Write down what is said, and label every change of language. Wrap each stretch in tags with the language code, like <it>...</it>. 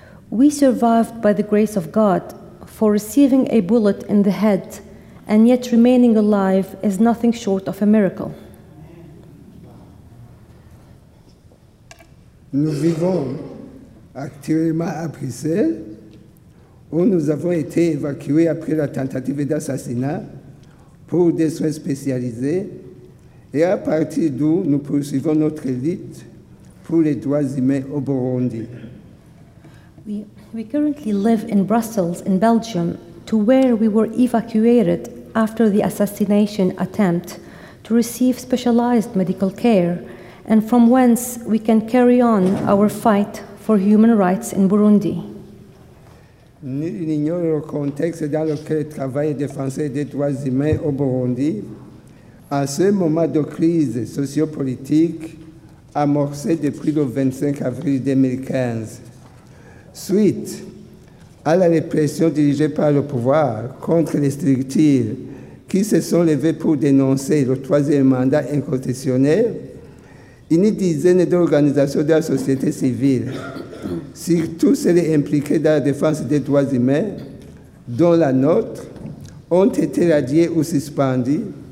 <en>We survived by the grace of God, for receiving a bullet in the head and yet remaining alive is nothing short of a miracle.</en> <fr>Nous vivons actuellement à Bruxelles, où nous avons été évacués après la tentative d'assassinat pour des soins spécialisés, et à partir d'où nous poursuivons notre lutte pour les droits humains au Burundi.</fr> <en>We currently live in Brussels, in Belgium, to where we were evacuated after the assassination attempt to receive specialized medical care, and from whence we can carry on our fight for human rights in Burundi.</en> <fr>Nul n'ignore le contexte dans lequel travaille le défenseur des droits humains au Burundi. À ce moment de crise sociopolitique amorcée depuis le 25 avril 2015, suite à la répression dirigée par le pouvoir contre les structures qui se sont levées pour dénoncer le troisième mandat inconstitutionnel, une dizaine d'organisations de la société civile, surtout celles impliquées dans la défense des droits humains, dont la nôtre, ont été radiées ou suspendues.</fr>